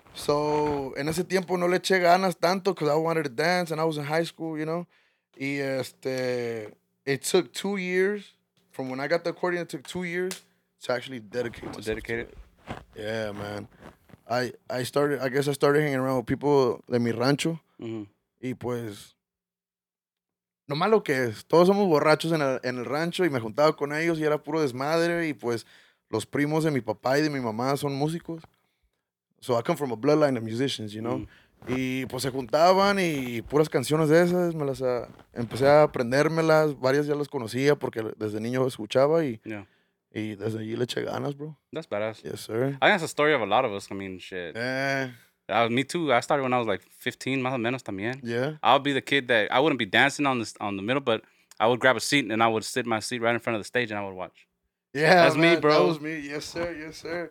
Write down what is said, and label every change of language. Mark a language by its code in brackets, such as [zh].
[en] So [es] en ese tiempo no le eché ganas tanto [en] because I wanted to dance, and I was in high school, you know. [es] Y [en] it took 2 years from when I got the accordion. It took 2 years to actually dedicate. To dedicate it. Yeah, man. I started hanging around with people [es] de mi rancho, mm-hmm. y pues. No malo que es, todos somos borrachos en el rancho y me juntaba con ellos y era puro desmadre y pues los primos de mi papá y de mi mamá son músicos. [en] So I come from a bloodline of musicians, you know. Mm. [es] Y pues se juntaban y puras canciones de esas, empecé a aprendérmelas, varias ya las conocía porque desde niño escuchaba y, [en] yeah. [es] y desde allí le eché ganas, bro. [en] That's badass. Yes, sir. I think that's a story of a lot of us, I mean, shit. Me too. I started when I was like 15, [es] más o menos también. [en] Yeah. I'll be the kid that I wouldn't be dancing on the middle, but I would grab a seat and I would sit in my seat right in front of the stage and I would watch. Yeah. That's man, me, bro. That was me. Yes, sir. Yes, sir.